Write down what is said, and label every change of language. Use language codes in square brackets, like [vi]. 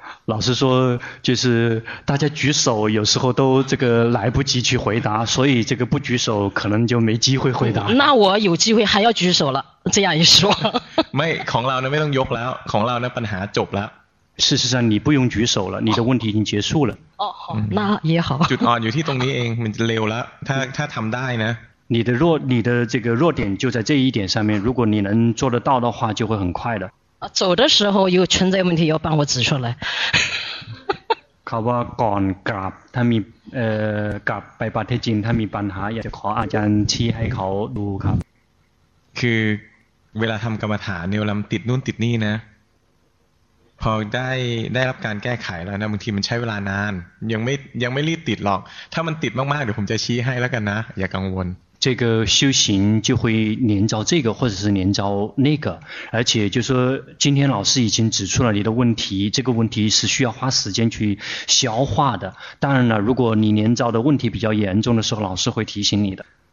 [zh] 老师说就是大家举手有时候都这个来不及去回答所以这个不举手可能就没机会回答那我有机会还要举手了这样一说 [th] 没ของเราเนี่ยไม่ต้องยกแล้วของเราเนี่ยปัญหาจบแล้ว [zh] 事实上你不用举手了你的问题已经结束了哦好那也好 [th] จุดอ่อนอยู่ที่ตรงนี้เองมันจะเร็วแล้วถ้าทำได้นะ [zh] 你的这个弱点就在这一点上面如果你能做得到的话就会很快的走的时候有存在问题要帮我指出来 [th] เขาว่าก่อนกลับถ้ามีกลับไปประเทศจีนถ้ามีปัญหาอยากจะขออาจารย์ชี้ให้เขาดูครับ คือเวลาทำกรรมฐานเนี่ยเราติดนู่นติดนี่นะพอได้รับการแก้ไขแล้วนะบางทีมันใช้เวลานานยังไม่รีบติดหรอกถ้ามันติดมากๆเดี๋ยวผมจะชี้ให้แล้วกันนะอย่ากังวล [zh] 这个修行就会连招这个或者是连招那个而且就是说今天老师已经指出了你的问题这个问题是需要花时间去消化的当然了如果你连招的问题比较严重的时候老师会提醒你的